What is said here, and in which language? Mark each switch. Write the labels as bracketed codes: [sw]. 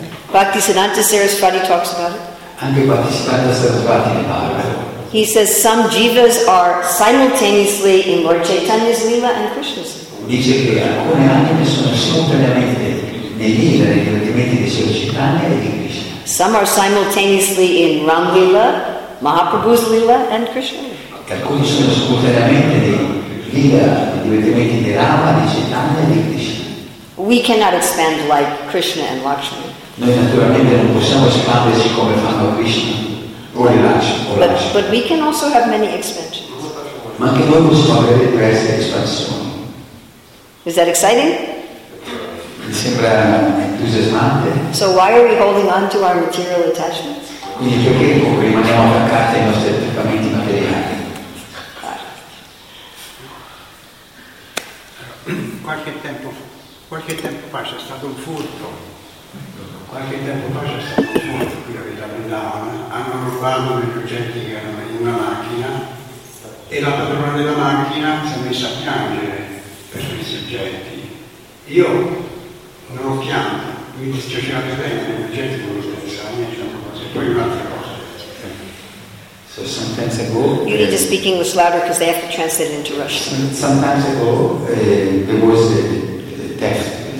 [en] Bhaktisiddhanta Sarasvati talks about it. He says some jivas are simultaneously in Lord Chaitanya's lila and Krishna's. [it] Dice che alcune anime sono simultaneamente nei divertimenti di Sri Chaitanya e di Krishna. [en] Some are simultaneously in Ram lila, Mahaprabhu's lila, and Krishna. [it] Alcuni sono simultaneamente nei lila, nei divertimenti di Rama, di Chaitanya e di Krishna. [en] We cannot expand like Krishna and Lakshmi. [it] Noi naturalmente non possiamo espandersi come fanno Krishna o Lakshmi. [en] But we can also have many expansions. [it] Ma anche noi possiamo avere diverse espansioni. [en] Is that exciting? [it] Mi sembra entusiasmante. [en] So why are we holding on to our material attachments? [it] Quindi perché rimaniamo attaccati ai nostri attaccamenti materiali? Qualche tempo fa c'è stato un furto qui a Villa Vrindavana, hanno rubato dei progetti che erano in una macchina e la padrona della macchina si è messa a piangere per questi oggetti. Io non ho pianto, mi dispiaceva di bene, gli oggetti non lo stessero, e poi un'altra cosa. [en] So sometimes ago, you need to speak English louder because they have to translate it into Russian. Sometimes ago, there was the text.